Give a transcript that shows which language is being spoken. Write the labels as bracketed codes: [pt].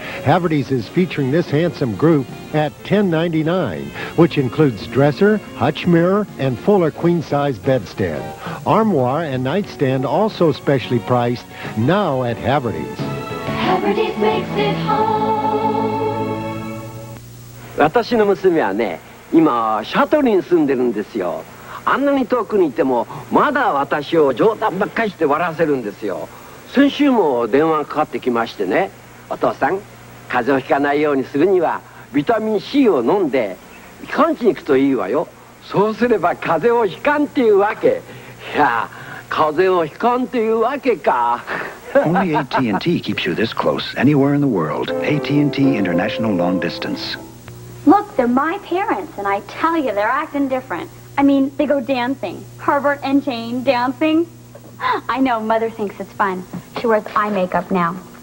[en] Haverty's is featuring this handsome group at $10.99, which includes dresser, hutch mirror, and fuller queen-size bedstead. Armoire and nightstand also specially priced, now at Haverty's. Haverty's makes it home. [ja] 私の娘はね、今シャトルに住んでるんですよ。あんなに遠くにいてもまだ私を冗談ばっかりして笑わせるんですよ。先週も電話かかってきましてね、お父さん、風邪をひかないようにするにはビタミン C を飲んで気管に行くといいわよ。そうすれば風邪をひかんっていうわけ。いや、風邪をひかんっていうわけか。 [en] Only AT&T keeps you this close anywhere in the world. AT&T International Long Distance. Look, they're my parents, and I tell you, they're acting different. I mean, they go dancing. Herbert and Jane dancing. I know, Mother thinks it's fun. She wears eye makeup now.